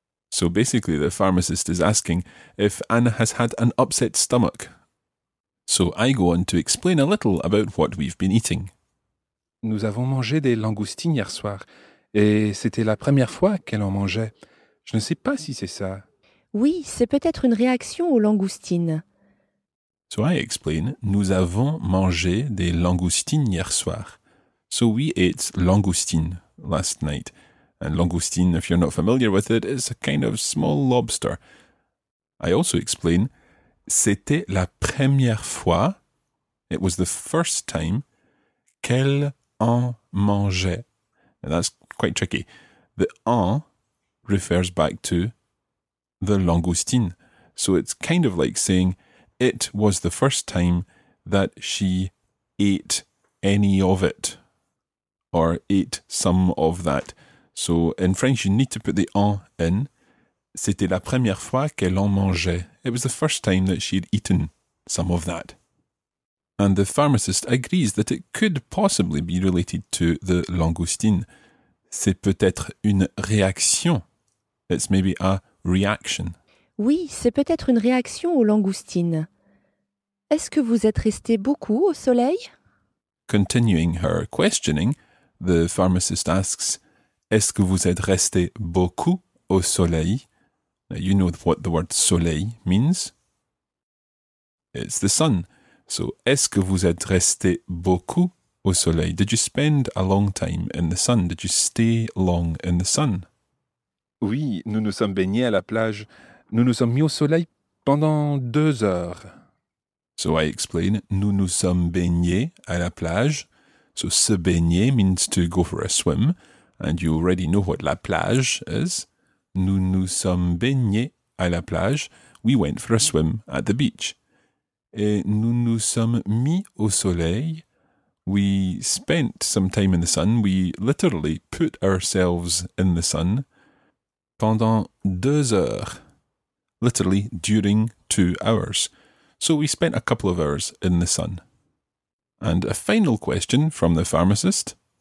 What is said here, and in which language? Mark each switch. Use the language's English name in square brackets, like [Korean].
[English] So basically, the pharmacist is asking if Anna has had an upset stomach. So I go on to explain a little about what we've been eating. [French] Nous avons mangé des langoustines hier soir, et c'était la première fois qu'elle en mangeait. Je ne sais pas si c'est ça. Oui, c'est peut-être une réaction aux langoustines. [English] So I explain, [French] nous avons mangé des langoustines hier soir. [English] So we ate langoustine last night. And langoustine, if you're not familiar with it, is a kind of small lobster. I also explain, [French] c'était la première fois, [English] it was the first time, [French] qu'elle en mangeait. [English] And that's quite tricky. The en refers back to the langoustine. So it's kind of like saying, it was the first time that she ate any of it, or ate some of that. So in French, you need to put the en in. [French] C'était la première fois qu'elle en mangeait. [English] It was the first time that she'd eaten some of that. And the pharmacist agrees that it could possibly be related to the langoustine. [French] C'est peut-être une réaction. [English] It's maybe a reaction. [French] Oui, c'est peut-être une réaction aux langoustines. Est-ce que vous êtes resté beaucoup au soleil? [English] Continuing her questioning, the pharmacist asks, [French] est-ce que vous êtes resté beaucoup au soleil? [English] Now you know what the word soleil means. It's the sun. [French] So, est-ce que vous êtes resté beaucoup au soleil? [English] Did you spend a long time in the sun? Did you stay long in the sun? [French] Oui, nous nous sommes baignés à la plage. Nous nous sommes mis au soleil pendant 2 heures. [English] So I explain, [French] nous nous sommes baignés à la plage. [English] So se baigner means to go for a swim. And you already know what la plage is. [French] Nous nous sommes baignés à la plage. [English] We went for a swim at the beach. [French] Et nous nous sommes mis au soleil. [English] We spent some time in the sun. We literally put ourselves in the sun. [French] Pendant 2 heures. [English] Literally, during 2 hours. So we spent a couple of hours in the sun. And a final question from the pharmacist.